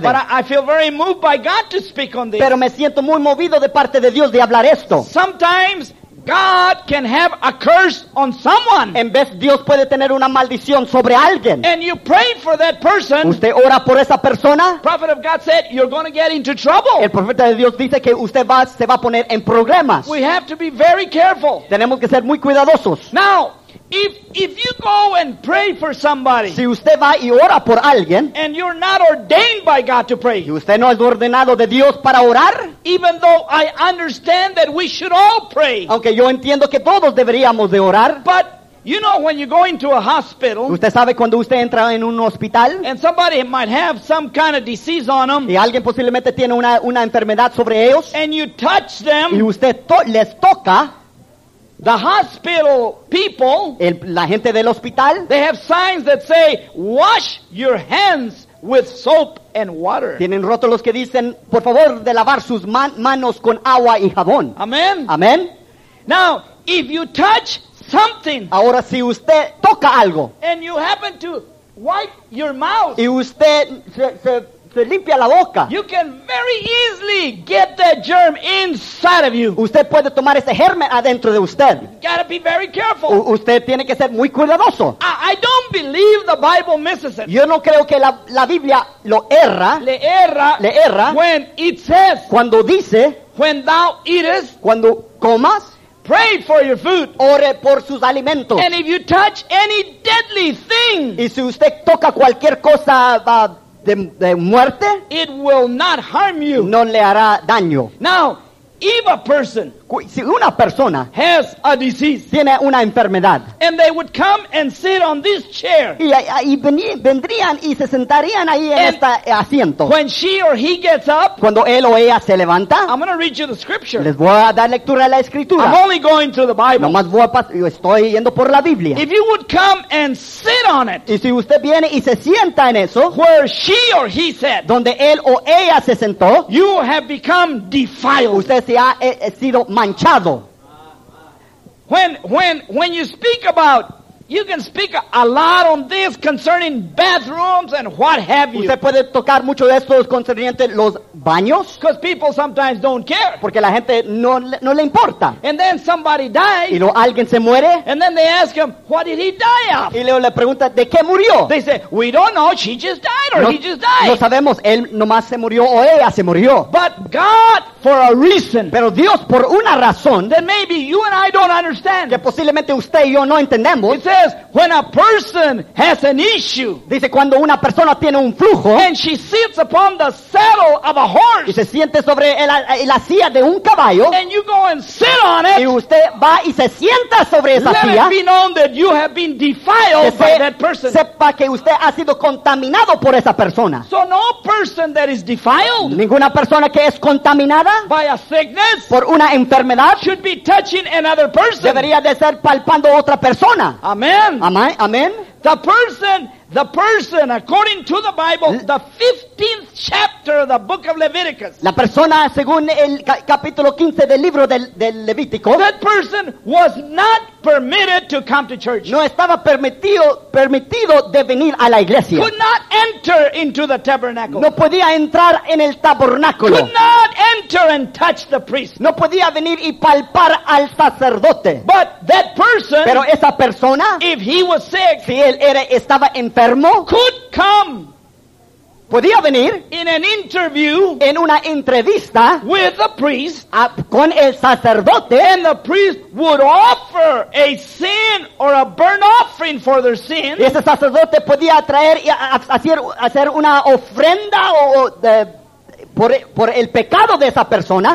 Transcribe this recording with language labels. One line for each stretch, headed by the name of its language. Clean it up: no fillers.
English: But I feel very moved by God to speak on this.
Spanish: Pero me siento muy movido de parte de Dios de hablar esto.
English: Sometimes God can have a curse on someone.
Spanish: En vez Dios puede tener una maldición sobre alguien.
English: And you pray for that person.
Spanish: Usted ora por esa persona.
English: Prophet of God said you're going to get into trouble.
Spanish: El profeta de Dios dice que usted se va a poner en problemas.
English: We have to be very careful.
Spanish: Tenemos que ser muy cuidadosos.
English: Now, if you go and pray for somebody,
Spanish: si usted va y ora por alguien,
English: and you're not ordained by God to pray,
Spanish: y usted no es ordenado de Dios para orar,
English: even though I understand that we should all pray,
Spanish: aunque yo entiendo que todos deberíamos de orar,
English: but you know when you go into a hospital,
Spanish: usted sabe cuando usted entra en un hospital,
English: and somebody might have some kind of disease on them,
Spanish: y alguien posiblemente tiene una enfermedad sobre ellos,
English: and you touch them,
Spanish: y usted les toca.
English: The hospital people,
Spanish: la gente del hospital,
English: they have signs that say, wash your hands with soap and water.
Spanish: Tienen rótulos que dicen, por favor, de lavar sus manos con agua y jabón.
English: Amen.
Spanish: Amen.
English: Now, if you touch something.
Spanish: Ahora si usted toca algo.
English: And you happen to wipe your mouth.
Spanish: Y usted se limpia la boca.
English: You can very easily get that germ inside of you.
Spanish: Usted puede tomar ese germen adentro de usted.
English: You gotta be very careful.
Spanish: Usted tiene que ser muy cuidadoso.
English: I don't believe the Bible misses it.
Spanish: Yo no creo que la Biblia lo erra. Le erra.
English: When it says.
Spanish: Cuando dice.
English: When thou eatest.
Spanish: Cuando comas.
English: Pray for your food.
Spanish: Ore por sus alimentos.
English: And if you touch any deadly thing.
Spanish: Y si usted toca cualquier cosa de muerte.
English: It will not harm you.
Spanish: No le hará daño.
English: Now, if a person.
Spanish: Si una persona.
English: Has a disease.
Spanish: Tiene una enfermedad.
English: And they would come and sit on this chair.
Spanish: Y vendrían y se sentarían ahí en este asiento.
English: When she or he gets up.
Spanish: Cuando él o ella se levanta.
English: I'm going to read you the scripture.
Spanish: Les voy a dar lectura a la escritura.
English: I'm only going to the Bible.
Spanish: Nomás estoy yendo por la Biblia.
English: If you would come and sit on it.
Spanish: Y si usted viene y se sienta en eso.
English: Where she or he sat.
Spanish: Donde él o ella se sentó.
English: You have become defiled.
Spanish: Usted se ha sido manchado.
English: When you speak about, you can speak a lot on this concerning bathrooms and what have you.
Spanish: Usted puede tocar mucho de esto concerniente los baños.
English: Because people sometimes don't care.
Spanish: Porque la gente no le importa.
English: And then somebody dies.
Spanish: Y luego alguien se muere.
English: And then they ask him, what did he die of?
Spanish: Y luego le pregunta, ¿de qué murió?
English: They say, we don't know, she just died or no, he just died.
Spanish: No sabemos, él nomás se murió o ella se murió.
English: But God, for a reason.
Spanish: Pero Dios, por una razón.
English: That maybe you and I don't understand.
Spanish: Que posiblemente usted y yo no entendemos.
English: He says, when a person has an issue.
Spanish: Dice, cuando una persona tiene un flujo.
English: And she sits upon the saddle of a horse.
Spanish: Y se siente sobre la silla de un caballo.
English: And you go and sit on it.
Spanish: Y usted va y se sienta sobre esa silla.
English: Let it be known that you have been defiled by that person.
Spanish: Sepa que usted ha sido contaminado por esa persona.
English: So no person that is defiled.
Spanish: Ninguna persona que es contaminada.
English: By a sickness,
Spanish: por una enfermedad,
English: should be touching another person.
Spanish: Debería de ser palpando otra persona.
English: Amen.
Spanish: Amen.
English: The person, according to the Bible, the 15th chapter of the book of Leviticus.
Spanish: La persona según el capítulo 15 del libro del Levítico.
English: That person was not permitted to come to church.
Spanish: No estaba permitido de venir a la iglesia.
English: Could not enter into the tabernacle.
Spanish: No podía entrar en el tabernáculo.
English: Could not enter and touch the priest.
Spanish: No podía venir y palpar al sacerdote.
English: But that person,
Spanish: pero esa persona,
English: if he was sick,
Spanish: si él estaba enfermo,
English: could come.
Spanish: Podía venir
English: in an interview,
Spanish: en una entrevista,
English: with the priest,
Spanish: con el sacerdote,
English: and the priest would offer a sin or a burnt offering for their sin.
Spanish: Y ese sacerdote podía traer y hacer una ofrenda por el pecado de esa persona.